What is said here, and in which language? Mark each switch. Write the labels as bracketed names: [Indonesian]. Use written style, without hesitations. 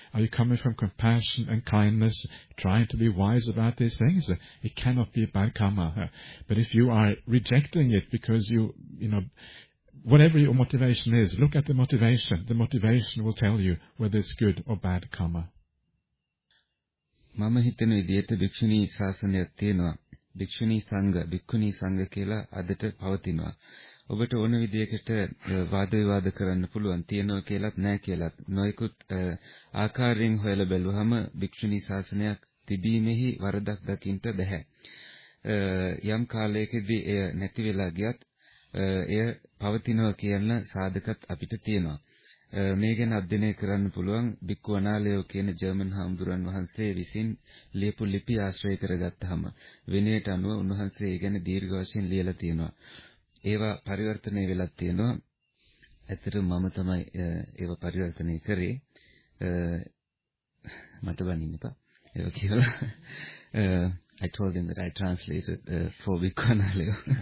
[English] Are you coming from compassion and kindness, trying to be wise about these things? It cannot be bad karma. But if you are rejecting it because you know, whatever your motivation is, look at the motivation. The motivation will tell you whether it's good or bad karma. [Sinhala] මම හිතන විදිහට භික්ෂුණී ශාසනයක් තියෙනවා. භික්ෂුණී සංඝ, භික්ෂුණී සංඝ කියලා අදට පවතිනවා. ඔබට ඕන විදිහකට වාද විවාද කරන්න පුළුවන් තියෙනවා කියලාත් නැහැ කියලාත්. නොයෙකුත් ආකාරයෙන් හොයලා බැලුවහම භික්ෂුණී ශාසනයක් තිබීමේහි වරදක් දකින්න බෑ. යම් කාලයකදී එය නැති වෙලා ගියත් එය පවතිනවා කියන සාධකත් අපිට තියෙනවා. මේ ගැන අධ්‍යයනය කරන්න පුළුවන් බික්කු අනාලයෝ කියන ජර්මන් හාමුදුරන් වහන්සේ විසින් ලියපු ලිපි ආශ්‍රය කරගත්තහම විනයට අනුව උන්වහන්සේ ඒ ගැන දීර්ඝ වශයෙන් ලියලා තියෙනවා. ඒවා පරිවර්තනය වෙලා තියෙනවා. ඇත්තට මම තමයි ඒව පරිවර්තනය කරේ. මට බනින්නපා. ඒක කියලා [English] I told him that I translated for Bhikkhu Analeya.